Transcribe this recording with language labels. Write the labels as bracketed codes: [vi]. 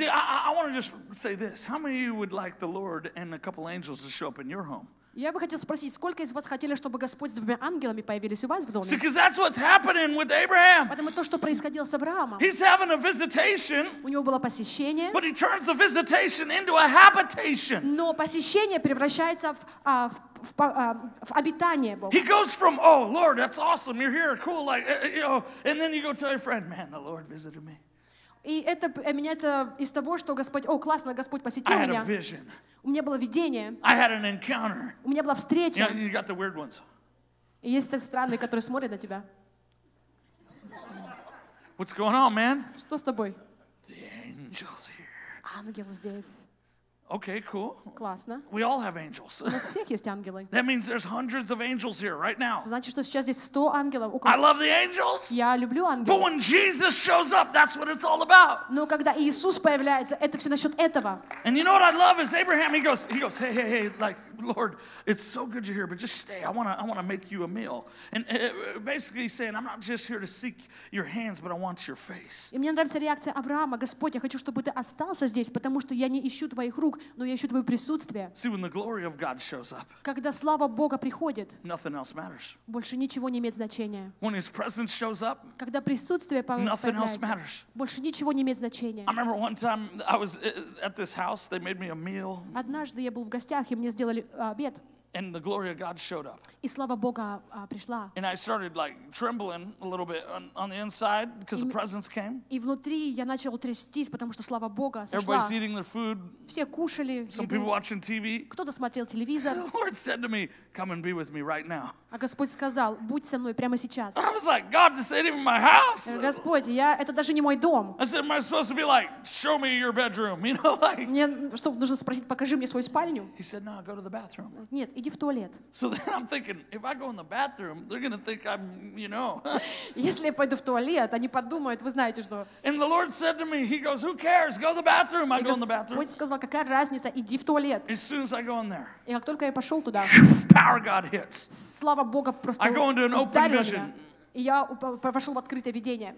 [en] See, I want to just say this: how many of you would like the Lord and a couple angels to show up in your home? [ru] Я бы хотел спросить, сколько из вас хотели, чтобы Господь с двумя ангелами появились у вас в доме? [en] See, because that's what's happening with Abraham. [ru] Потому что то, что происходило с Авраамом. [en] He's having a visitation. [ru] У него было посещение. [en] But he turns the visitation into a habitation. [ru] Но посещение превращается в обитание Бога. [en] He goes from, oh Lord, that's awesome, you're here, cool, like, you know, and then you go tell your friend, man, the Lord visited me. [ru] И это меняется из того, что Господь, о, классно, Господь посетил меня. [en] I had a vision. [ru] У меня было видение. [en] I had an encounter. [ru] У меня была встреча. [en] Yeah, you got the weird ones. [ru] И есть те странные, которые смотрят на тебя. [en] What's going on, man? [ru] Что с тобой? [en] The angels here. [ru] Ангел здесь. [en] Okay, cool. [ru] Классно. [en] We all have angels. [ru] У нас всех есть ангелы. [en] That means there's hundreds of angels here right now. [ru] Значит, что сейчас здесь 100 ангелов. [en] I love the angels. [ru] Я люблю ангелов. [en] But when Jesus shows up, that's what it's all about. [ru] Но когда Иисус появляется, это все насчет этого. [en] And you know what I love is Abraham. He goes, hey, like, Lord, it's so good you're here, but just stay. I want to make you a meal. And basically saying, I'm not just here to seek your hands, but I want your face. [ru] И мне нравится реакция Авраама. Господь, я хочу, чтобы ты остался здесь, потому что я не ищу твоих рук, но я ищу твое присутствие. [en] See, when the glory of God shows up. [ru] Когда слава Бога приходит. [en] Nothing else matters. [ru] Больше ничего не имеет значения. [en] When his presence shows up. [ru] Когда присутствие появляется. [en] Nothing else matters. [ru] Больше ничего не имеет значения. [en] I remember one time I was at this house, they made me a meal. [ru] Однажды я был в гостях, и мне сделали обед. [en] And the glory of God showed up. [ru] И слава Бога пришла. [en] And I started like trembling a little bit on the inside because the presence came. [ru] И внутри я начал трястись, потому что слава Бога сошла. [en] Everybody's eating their food. [ru] Все кушали. [en] Some people watching TV. [ru] Кто-то смотрел телевизор. [en] The Lord said to me, "Come and be with me right now." [ru] А Господь сказал, будь со мной прямо сейчас. [en] I was like, "God, this ain't even my house." [ru] Господь, это даже не мой дом. [en] I said, "Am I supposed to be like, show me your bedroom?" You know, like. [ru] Мне что нужно спросить, покажи мне свою спальню? [en] He said, "No, go to the bathroom." [ru] Нет. Иди в туалет. [en] So then I'm thinking, if I go in the bathroom, they're gonna think I'm, you know. [ru] Если я пойду в туалет, они подумают, вы знаете что. [en] And the Lord said to me, He goes, who cares? Go to the bathroom. I go in the bathroom. [ru] Господь сказал, какая разница, иди в туалет. [en] As soon as I go in there. [ru] И как только я пошел туда. [en] Power God hits. [ru] Слава Бога просто. [en] I go into an open vision. [ru] И я вошел в открытое видение.